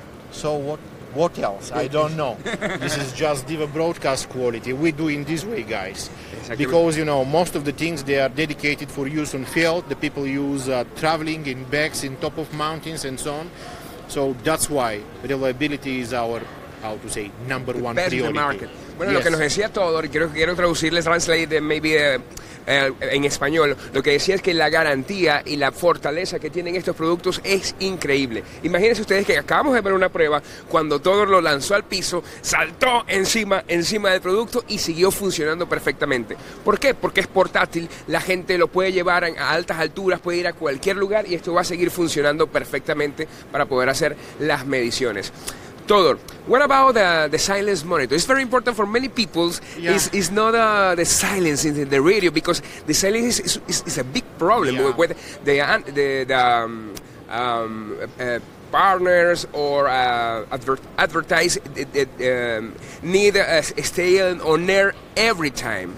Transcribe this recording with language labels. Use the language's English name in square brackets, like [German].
[English] So what else? I don't know. This is just Deva Broadcast quality. We do in this way, guys. Exactly. Because, you know, most of the things, they are dedicated for use on field. The people use traveling in bags, in top of mountains, and so on. So that's why reliability is our, how to say, number one priority. Best in the market. [Spanish] Bueno, lo que nos decía Todor, y quiero traducirle, translate, maybe en español, lo que decía es que la garantía y la fortaleza que tienen estos productos es increíble. Imagínense ustedes que acabamos de ver una prueba cuando Todor lo lanzó al piso, saltó encima del producto y siguió funcionando perfectamente. ¿Por qué? Porque es portátil, la gente lo puede llevar a altas alturas, puede ir a cualquier lugar y esto va a seguir funcionando perfectamente para poder hacer las mediciones. [English] Todor, what about the silence monitor? It's very important for many people. Yeah. It's not the silence in the radio, because the silence is a big problem with the partners or advertise need staying on air every time?